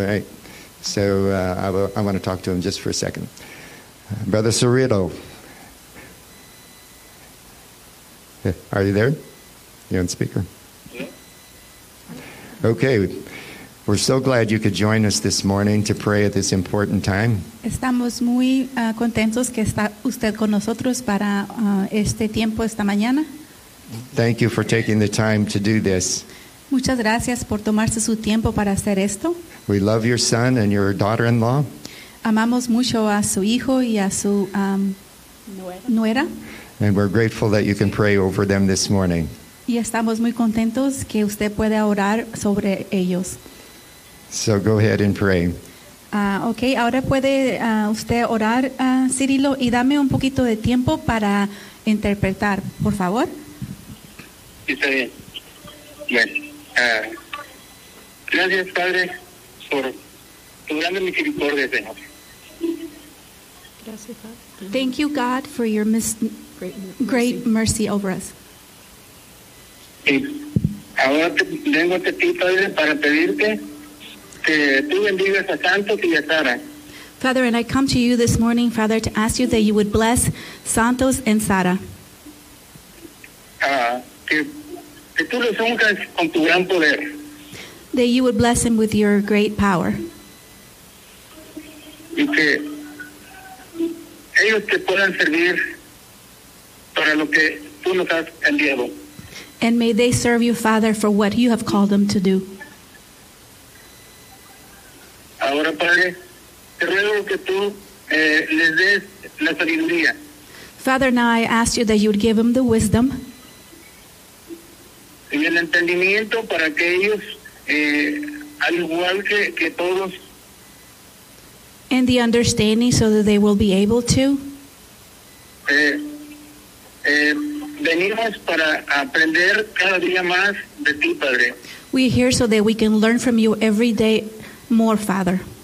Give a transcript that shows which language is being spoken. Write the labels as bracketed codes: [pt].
[en] All right. So, I want to talk to him just for a second. Brother Cerrito. Are you there? You're on speaker? Yeah. Okay. We're so glad you could join us this morning to pray at this important time. [es] Estamos muy contentos que está usted con nosotros para este tiempo esta mañana. [en] Thank you for taking the time to do this. [es] Muchas gracias por tomarse su tiempo para hacer esto. [en] We love your son and your daughter-in-law. [es] Amamos mucho a su hijo y a su nuera. [en] And we're grateful that you can pray over them this morning. [es] Y estamos muy contentos que usted pueda orar sobre ellos. [en] So go ahead and pray. [es] Okay, ahora puede usted orar, Cirilo, y dame un poquito de tiempo para interpretar, por favor. Está bien. Bien. Gracias, Padre, por tu grande misericordia, Señor. Gracias, Padre. [en] Thank you, God, for your great mercy over us. [es] Y ahora vengo a ti, Padre, para pedirte que tú bendigas a Santos y a Sara. [en] Father, and I come to you this morning, Father, to ask you that you would bless Santos and Sara. [es] Que tú los unjas con tu gran poder. [en] That you would bless him with your great power. [es] Y que ellos te puedan servir para lo que tú nos has enviado. [en] And may they serve you, Father, for what you have called them to do. [es] Ahora, Padre, te ruego que tú les des la sabiduría. [en] Father, now I ask you that you would give them the wisdom. [es] Y el entendimiento para que ellos, al igual que todos. [en] And the understanding so that they will be able to. [es] Venimos para aprender cada día más de ti, Padre. [en] We are here so that we can learn from you every day more, Father.